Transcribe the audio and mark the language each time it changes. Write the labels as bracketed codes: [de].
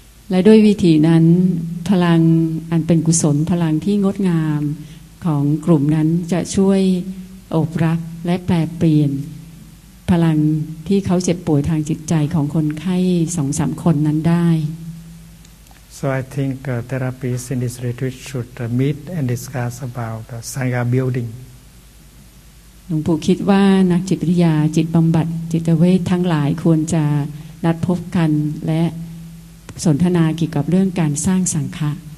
[th] และด้วยวิธีนั้นพลังอันเป็นกุศลพลังที่งดงามของกลุ่มนั้นจะช่วยอบรับและแปรเปลี่ยนพลังที่เขาเจ็บป่วยทางจิตใจของคนไข้ 2-3 คนนั้นได้ [en] So I think therapists in this retreat should meet and discuss about the sangha building. [th] หลวงปู่คิดว่านักจิตวิทยาจิตบำบัดจิตเวททั้งหลายควรจะนัดพบกันและสนทนาเกี่ยวกับเรื่องการสร้างสังฆะ